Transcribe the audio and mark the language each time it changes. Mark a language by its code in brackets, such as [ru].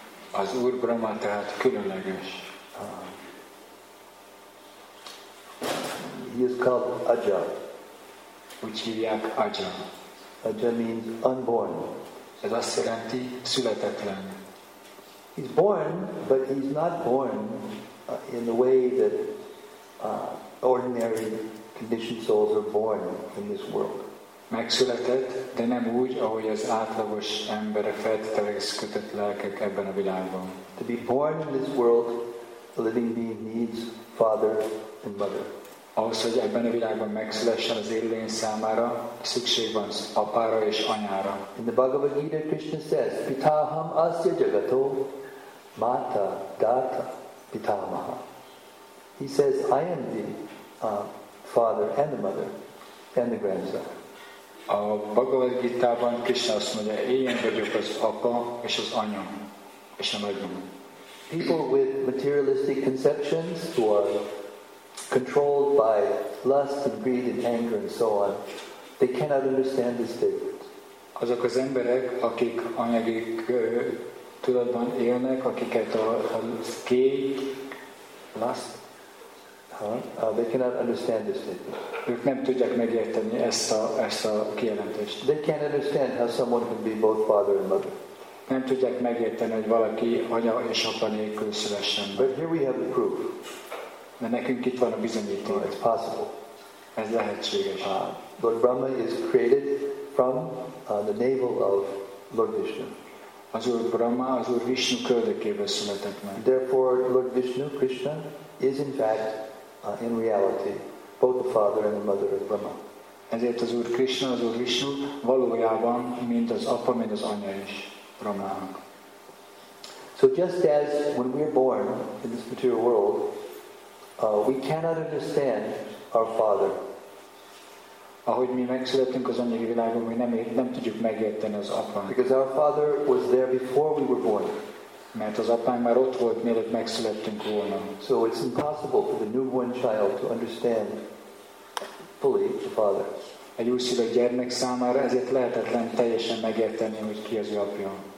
[hu] Az Úr Brahma tehát különleges. [en] He is called Aja. [hu] Úgy hívják Aja. [en] Aja means unborn. [hu] Ez azt jelenti születetlen. [en] He's born, but he's not born in the way that ordinary conditioned souls are born in this world. [hu] Megszületett, de nem úgy, ahogy az átlagos ember feltételek kötött lelkek ebben a világban. [en] To be born in this world, a living being needs father and mother. [hu] Ahhoz, hogy ebben a világban megszülessen az élőlény számára, szükség van apára és anyára. [en] In the Bhagavad Gita, Krishna says, [sa] Pitaham asya jagato, mata data pitamaha. [en] He says, I am the father and the mother and the grandson. [hu] A Bhagavad Gita-ban Krishna azt mondja, én vagyok az apa és az anya és a nagymama. [en] People with materialistic conceptions who are controlled by lust and greed and anger and so on, they cannot understand this difference. [hu] Azok az emberek, akik anyagi tudatban élnek, akiket a kék, lust, [en] They cannot understand this statement. [hu] Ők nem tudják megérteni ezt a kijelentést. [en] They can't understand how someone can be both father and mother. [hu] Nem tudják megérteni, hogy valaki anya és apa nélkül szülessen. [en] But here we have the proof. [hu] De nekünk itt van a bizonyíték. [en] It's possible. [hu] Ez lehetséges. [en] Lord Brahma is created from the navel of Lord Vishnu. [hu] Az Úr Brahma, az Úr Vishnu köldökéből született meg. [en] Therefore, Lord Vishnu, Krishna, is in fact, in reality, both the father and the mother of Brahma. [hu] Ezért az Úr Krishna, az Úr Vishnu valójában mind az apa, mind az anya is Brahmának. [en] So just as when we are born in this material world, we cannot understand our father. [hu] Ahogy mi megszülettünk az anyagi világon, mi nem tudjuk megérteni az apánk. [en] Because our father was there before we were born. [hu] Mert az apánk már ott volt, mielőtt megszülettünk volna. [en] So it's impossible for the newborn child to understand fully the father. [hu] Egy újszülött gyermek számára ezért lehetetlen teljesen megérteni, hogy ki az ő apja.